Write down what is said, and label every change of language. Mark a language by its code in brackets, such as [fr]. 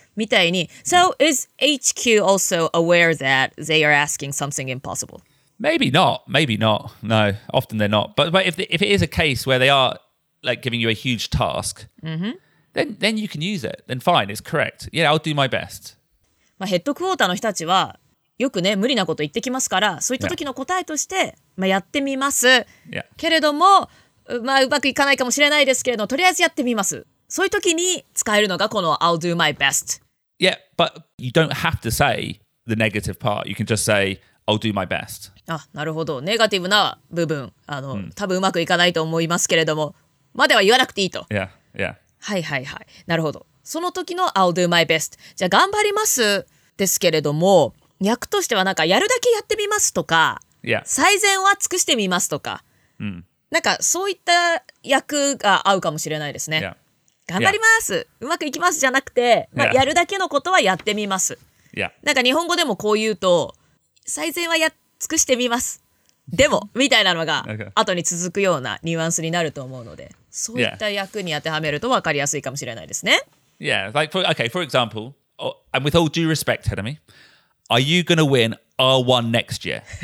[ja] みたいに、 [en] So, is HQ also aware that they are asking something impossible? Maybe not. No, often they're not. But if it is a case where they are like giving you a huge task,、 mm-hmm. then you can use it. Then fine, it's correct. Yeah, I'll do my best. [ja] まあ、ヘッドクォーターの人たちは、よくね無理なこと言ってきますからそういった時の答えとして、 [en] yeah. [ja] まあやってみます、 [en] yeah. [ja] けれどもまあうまくいかないかもしれないですけれどとりあえずやってみますそういう時に使えるのがこの [en] I'll do my best Yeah, but you don't have to say the negative part You can just say I'll do my best [ja] あ、なるほどネガティブな部分多分うまくいかないと思いますけれどもまでは言わなくていいと [en] Yeah, yeah [ja] はいはいはい。なるほど。その時の [en] I'll do my best。 [ja] じゃあ頑張りますですけれども、訳としてはなんかやるだけやってみますとか、最善は尽くしてみますとか、なんかそういった訳が合うかもしれないですね。頑張ります、うまくいきますじゃなくて、まあ、やるだけのことはやってみます。なんか日本語でもこう言うと、最善はやっ尽くしてみますでもみたいなのが後に続くようなニュアンスになると思うので、そういった訳に当てはめると分かりやすいかもしれないですね。 [en] Yeah, like for, okay, for example, and with all due respect, Hanami, are you gonna win R1 next year?